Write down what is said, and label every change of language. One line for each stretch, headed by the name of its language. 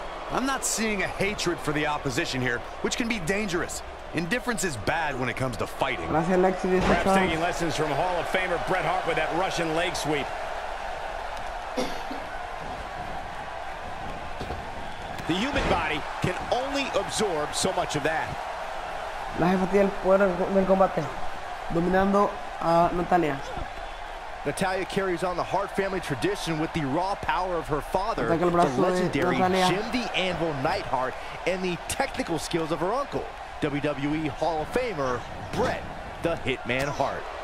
English: I'm not seeing a hatred for the opposition here, which can be dangerous. Indifference is bad when it comes to fighting. Perhaps taking lessons from Hall of Famer Bret Hart with that Russian leg sweep. The human body can only absorb so much of that.
Spanish: La jefa tiene el poder del combate, dominando a Natalia.
English: Natalia carries on the Hart family tradition with the raw power of her father, the legendary Jim the Anvil Neidhart, and the technical skills of her uncle, WWE Hall of Famer Bret the Hitman Hart.